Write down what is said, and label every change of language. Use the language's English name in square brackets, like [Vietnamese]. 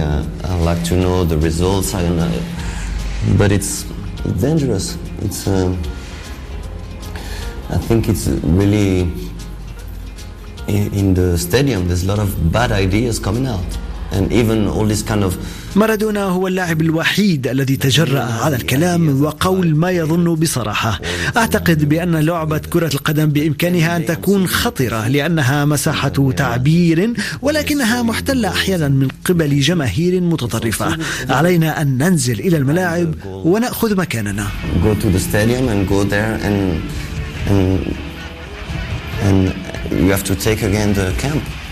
[English] I like to know the results. But it's dangerous. It's. I think it's really. In the stadium, there's a lot of bad ideas coming out, and even all this kind of. [Arabic] مارادونا هو اللاعب الوحيد الذي تجرأ على الكلام وقول ما يظن بصراحة. أعتقد بأن لعبة كرة القدم بإمكانها أن تكون خطرة لأنها مساحة تعبير، ولكنها محتلة أحيانا من قبل جماهير متطرفة. علينا أن ننزل إلى الملاعب ونأخذ مكاننا. [English] Go to the stadium and go there and you have to take again the camp.